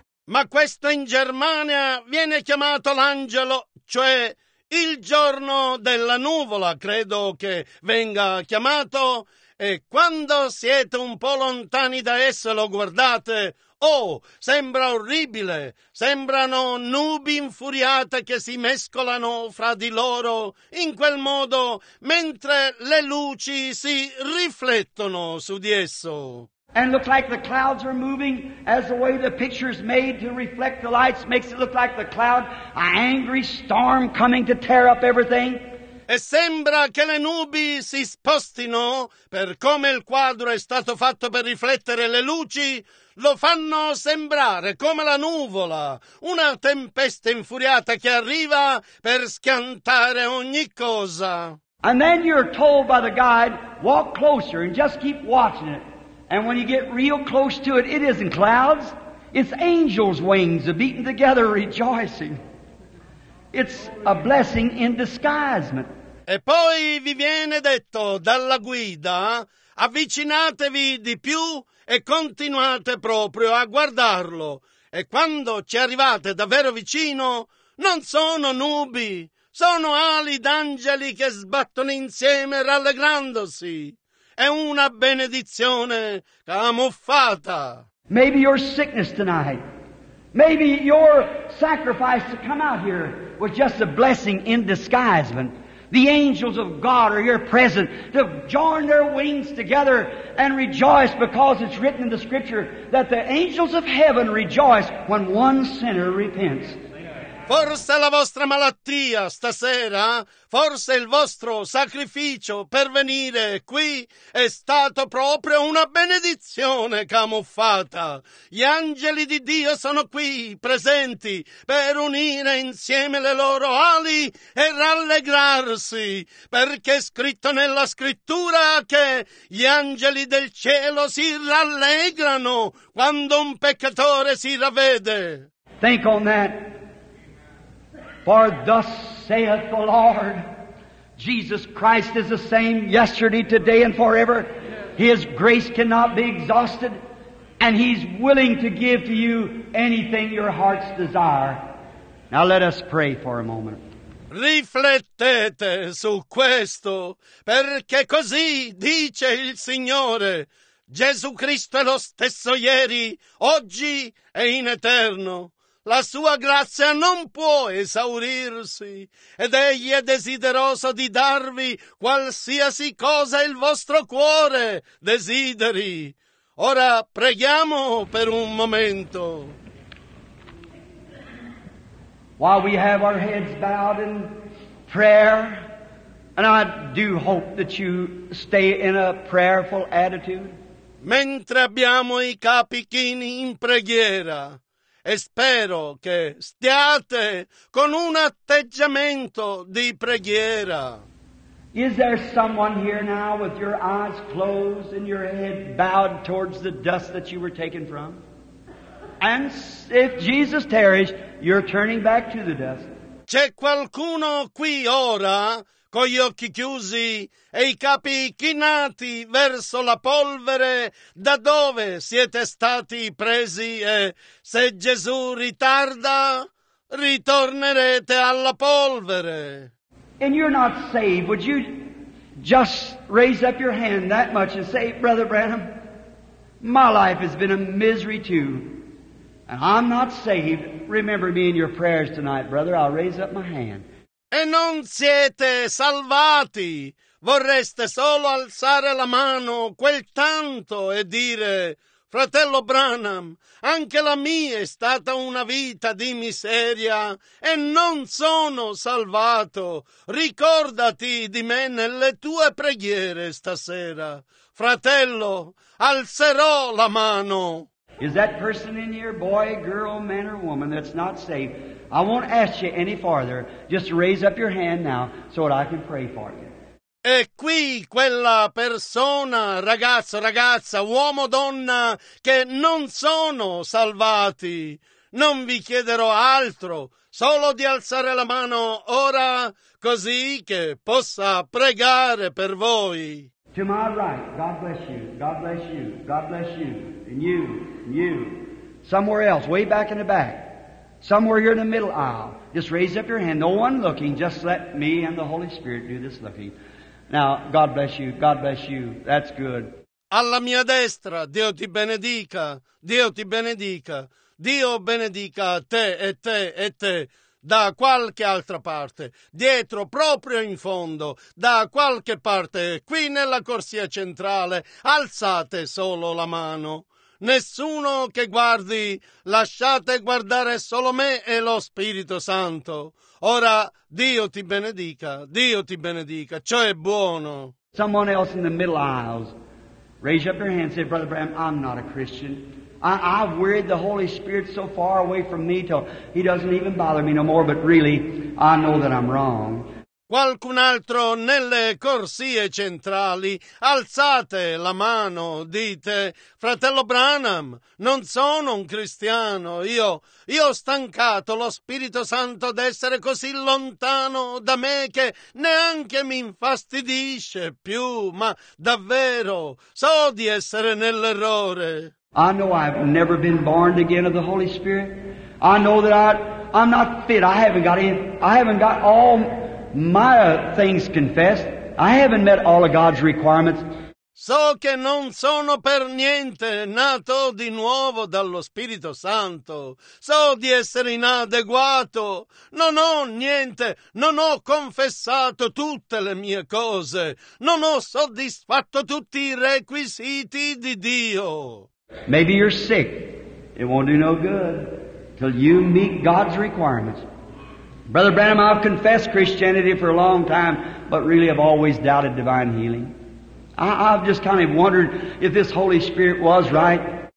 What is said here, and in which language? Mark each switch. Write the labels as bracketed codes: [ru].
[it] Ma questo in Germania viene chiamato l'angelo, cioè il giorno della nuvola, credo che venga chiamato. E quando siete un po' lontani da esso, lo guardate, oh, sembra orribile, sembrano nubi infuriate che si mescolano fra di loro in quel modo, mentre le luci si riflettono su di esso. [en] And look like the clouds are moving, as the way the picture's made to reflect the lights makes it look like the cloud, an angry storm coming to tear up everything. [it] E sembra che le nubi si spostino, per come il quadro è stato fatto per riflettere le luci, lo fanno sembrare come la nuvola, una tempesta infuriata che arriva per schiantare ogni cosa. [en] And then you're told by the guide, walk closer and just keep watching it. And when you get real close to it, it isn't clouds, It's angels' wings beating together rejoicing. It's a blessing in disguisement. [it] E poi vi viene detto dalla guida, avvicinatevi di più e continuate proprio a guardarlo. E quando ci arrivate davvero vicino, non sono nubi, sono ali d'angeli che sbattono insieme rallegrandosi. È una benedizione camuffata. [en] Maybe your sickness tonight, maybe your sacrifice to come out here was just a blessing in disguisement. The angels of God are here present to join their wings together and rejoice, because it's written in the scripture that the angels of heaven rejoice when one sinner repents. [it] Forse la vostra malattia stasera, forse il vostro sacrificio per venire qui è stato proprio una benedizione camuffata. Gli angeli di Dio sono qui presenti per unire insieme le loro ali e rallegrarsi, perché è scritto nella scrittura che gli angeli del cielo si rallegrano quando un peccatore si ravvede. [en] Think on that. For thus saith the Lord, Jesus Christ is the same yesterday, today, and forever. His grace cannot be exhausted, and He's willing to give to you anything your hearts desire. Now let us pray for a moment. [it] Riflettete su questo, perché così dice il Signore, Gesù Cristo è lo stesso ieri, oggi e in eterno. La sua grazia non può esaurirsi, ed egli è desideroso di darvi qualsiasi cosa il vostro cuore desideri. Ora preghiamo per un momento. [en] While we have our heads bowed in prayer, and I do hope that you stay in a prayerful attitude. [it] Mentre abbiamo i capi chini in preghiera, e spero che stiate con un atteggiamento di preghiera. [en] Is there someone here now with your eyes closed and your head bowed towards the dust that you were taken from? And if Jesus tarries, you're turning back to the dust. [it] C'è qualcuno qui ora con gli occhi chiusi e i capi chinati verso la polvere, da dove siete stati presi, e se Gesù ritarda, ritornerete alla polvere. [en] And you're not saved, would you just raise up your hand that much and say, Brother Branham, my life has been a misery too, and I'm not saved. Remember me in your prayers tonight, brother. I'll raise up my hand. [it] E non siete salvati. Vorreste solo alzare la mano quel tanto e dire, Fratello Branham, anche la mia è stata una vita di miseria e non sono salvato. Ricordati di me nelle tue preghiere stasera. Fratello, alzerò la mano. [en] Is that person in here, boy, girl, man, or woman, that's not saved? I won't ask you any farther. Just raise up your hand now so that I can pray for you. [it] È qui quella persona, ragazzo, ragazza, uomo, donna, che non sono salvati. Non vi chiederò altro, solo di alzare la mano ora, così che possa pregare per voi. [en] To my right, God bless you, God bless you, God bless you, and you, and you. Somewhere else, way back in the back, somewhere here in the middle aisle, just raise up your hand. No one looking, just let me and the Holy Spirit do this looking. Now, God bless you, God bless you, that's good. [it] Alla mia destra, Dio ti benedica, Dio ti benedica, Dio benedica te e te e te. Da qualche altra parte, dietro, proprio in fondo, da qualche parte, qui nella corsia centrale, alzate solo la mano. Nessuno che guardi, lasciate guardare solo me e lo Spirito Santo. Ora, Dio ti benedica, ciò è buono. [en] Someone else in the middle aisles, raise up your hand, say, Brother Bram, I'm not a Christian. I've wearied the Holy Spirit so far away from me till He doesn't even bother me no more, but really, I know that I'm wrong. [it] Qualcun altro nelle corsie centrali, alzate la mano, dite: fratello Branham, non sono un cristiano, io ho stancato lo Spirito Santo d'essere così lontano da me che neanche mi infastidisce più, ma davvero so di essere nell'errore. [en] I know I've never been born again of the Holy Spirit. I know that I'm not fit. I haven't got all my things confessed. I haven't met all of God's requirements. [it] So che non sono per niente nato di nuovo dallo Spirito Santo. So di essere inadeguato. Non ho niente. Non ho confessato tutte le mie cose. Non ho soddisfatto tutti i requisiti di Dio. [en] Maybe you're sick. It won't do no good till you meet God's requirements. Brother Branham, I've confessed Christianity for a long time, but really I've always doubted divine healing. I've just kind of wondered if this Holy Spirit was right.